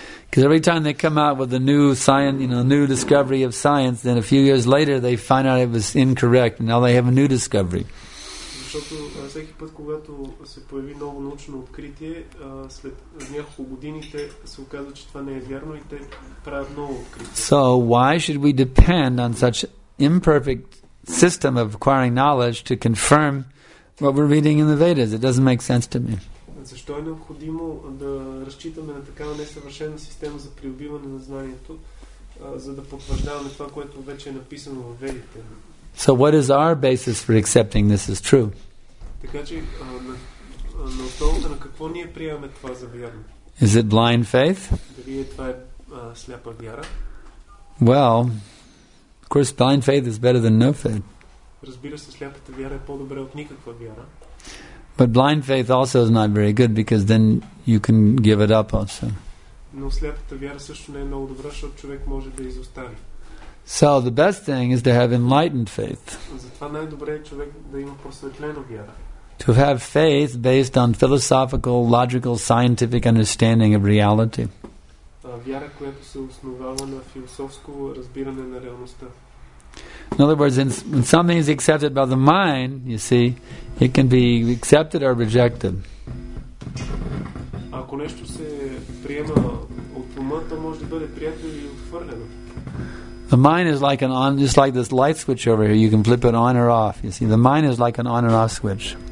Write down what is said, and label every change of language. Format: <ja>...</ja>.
<en>Because every time they come out with a new science, you know, new discovery of science, then a few years later they find out it was incorrect, and now they have a new discovery.</en> <bg>Защото всеки път, когато се появи ново научно откритие, след няколко години се оказва, че това не е вярно и те правят ново откритие.</bg> <en>So why should we depend on such imperfect system of acquiring knowledge to confirm what we're reading in the Vedas? It doesn't make sense to me.</en> <bg>Защо е необходимо да разчитаме на такава несъвършена система за придобиване на знанието, за да потвърждаваме това, което вече е написано в Ведите?</bg> <en>So what is our basis for accepting this as true?</en> <bg>Така че на основата на какво ние приемаме това за вярно?</bg> <en>Is it blind faith?</en> <bg>Дали това е сляпа вяра?</bg> <en>Well, of course, blind faith is better than no faith.</en> <bg>Разбира се, сляпата вяра е по-добра от никаква вяра.</bg> <en>But blind faith also is not very good because then you can give it up also.</en> <bg>Но сляпата вяра също не е много добра, защото човек може да изостави.</bg> <en>So the best thing is to have enlightened faith.</en> <bg>Затова най-добре е човек да има просветлена вяра.</bg> <en>To have faith based on philosophical, logical, scientific understanding of reality.</en> <bg>Вяра, която се основава на философско разбиране на реалността.</bg> <en>In other words, when something is accepted by the mind, you see, it can be accepted or rejected.</en> <bg>Ако нещо се приема от ума, то може да бъде прието или отхвърлено.</bg> <en>The mind is like an on, just like this light switch over here. You can flip it on or off. You see, the mind is like an on and off switch.</en>